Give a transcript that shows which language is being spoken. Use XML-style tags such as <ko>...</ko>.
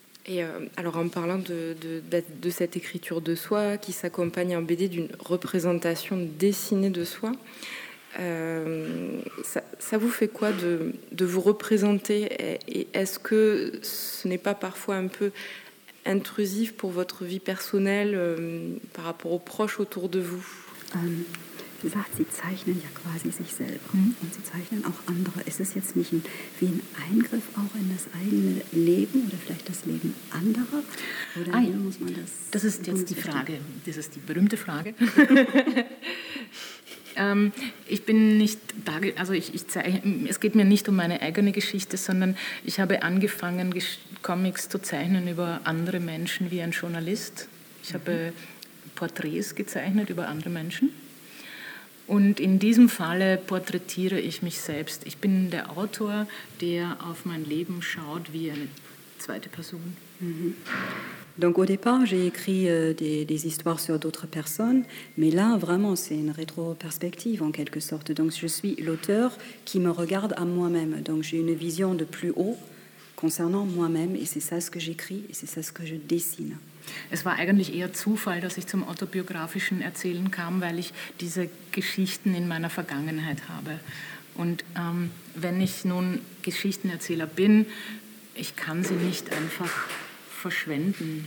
<fr>Et alors en parlant de cette écriture de soi qui s'accompagne en BD d'une représentation dessinée de soi, ça vous fait quoi de vous représenter et est-ce que ce n'est pas parfois un peu intrusif pour votre vie personnelle par rapport aux proches autour de vous</fr> <de>gesagt, sie zeichnen ja quasi sich selber mhm. und sie zeichnen auch andere. Ist es jetzt nicht wie ein Eingriff auch in das eigene Leben oder vielleicht das Leben anderer? Oder ah, ja. Muss man das ist jetzt die Frage. Das ist die berühmte Frage. ich bin nicht da, also ich zeichne, es geht mir nicht um meine eigene Geschichte, sondern ich habe angefangen, Comics zu zeichnen über andere Menschen wie ein Journalist. Ich habe Porträts gezeichnet über andere Menschen. Und in diesem Falle porträtiere ich mich selbst. Ich bin der Autor, der auf mein Leben schaut wie eine zweite Person. Mm-hmm.</de> <fr>Donc au départ, j'ai écrit des histoires sur d'autres personnes, mais là, vraiment, c'est une rétro-perspective en quelque sorte. Donc je suis l'auteur qui me regarde à moi-même. Donc j'ai une vision de plus haut concernant moi-même, et c'est ça ce que j'écris, et c'est ça ce que je dessine.</fr> <de>Es war eigentlich eher Zufall, dass ich zum autobiografischen Erzählen kam, weil ich diese Geschichten in meiner Vergangenheit habe. Und wenn ich nun Geschichtenerzähler bin, ich kann sie nicht einfach verschwenden.</de>